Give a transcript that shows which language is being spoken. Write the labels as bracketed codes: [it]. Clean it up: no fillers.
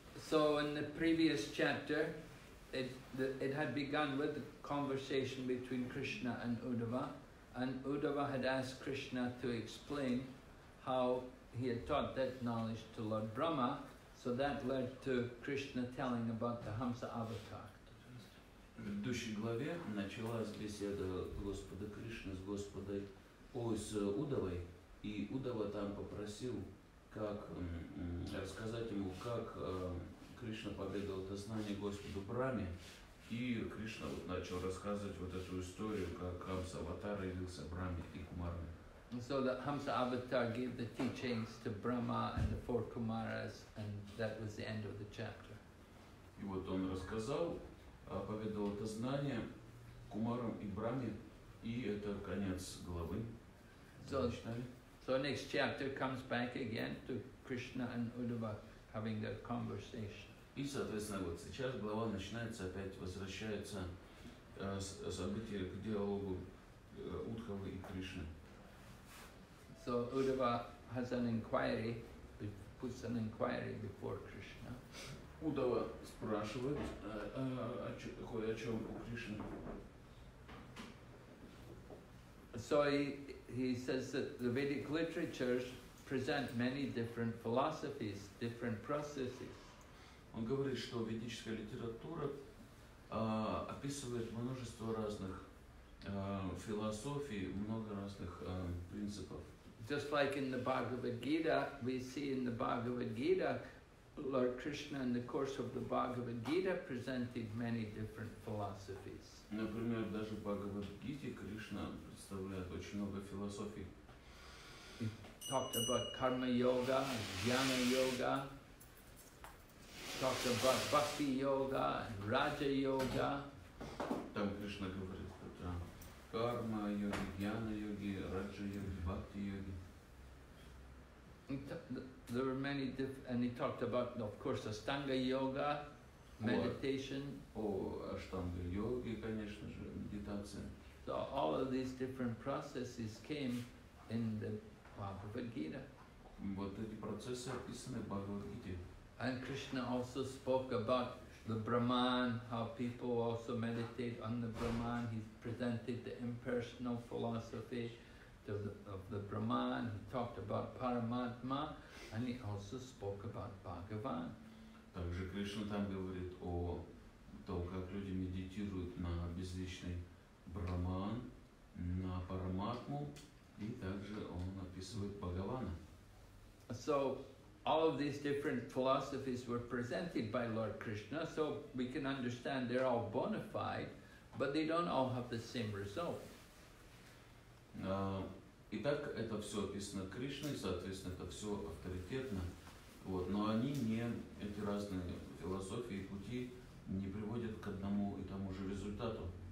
[en] So in the previous chapter, it had begun with the conversation between Krishna and Uddhava. And Uddhava had asked Krishna to explain how he had taught that knowledge to Lord Brahma, so that led to Krishna telling about the Hamsa avatar. [ru] В предыдущей главе началась беседа Господа Кришны с Господой Уддхавой, и Уддхава там попросил, как рассказать ему, как Кришна поведал это знание Господу Браме. И Кришна вот начал рассказывать вот эту историю, как Хамса аватар явился Брахме и Кумарам. [en] So that Hamsa avatar gave the teachings to Brahma and the four Kumaras, and that was the end of the chapter. [ru] И вот он рассказал, поведал это знание Кумарам и Брахме, и это конец главы. [en] So next chapter comes back again to Krishna and Uddhava having their conversation. [ru] И, соответственно, вот сейчас глава начинается, опять возвращается события к диалогу Уддхавы и Кришны. [en] So Uddhava has an inquiry, puts an inquiry before Krishna. [ru] Уддхава спрашивает, о чем у Кришны. [en] So he says that the Vedic literatures present many different philosophies, different processes. [ru] Он говорит, что ведическая литература описывает множество разных философий, много разных принципов. [en] Just like in the Bhagavad Gita, we see in the Bhagavad Gita, Lord Krishna in the course of the Bhagavad Gita presented many different philosophies. [ru] Например, даже в Бхагавад Гите Кришна представляет очень много философий. [en] He talked about karma yoga, jnana yoga. Talked about Bhakti Yoga and Raja Yoga. [ru] Там Кришна говорит про карма йоги, гьяна йоги, раджа йоги, бхакти йоги. [en] There were many and he talked about, of course, Ashtanga Yoga, meditation. [ru] Ashtanga Yoga, конечно же, медитация. [en] So all of these different processes came in the Bhagavad Gita. [ru] Вот эти процессы описаны в Бхагавад Гите. [en] And Krishna also spoke about the Brahman, how people also meditate on the Brahman. He presented the impersonal philosophy of the Brahman. He talked about Paramatma, and he also spoke about Bhagavan. [ru] Также Кришна там говорит о том, как люди медитируют на безличный Брахман, на Параматму, и также он описывает Бхагавана. [en] So, all of these different philosophies were presented by Lord Krishna, so we can understand they're all bona fide, but they don't all have the same result. [ru] Итак, это все описано Кришной, соответственно, это все авторитетно. Вот, но они не эти разные философии и пути не приводят к одному и тому же результату.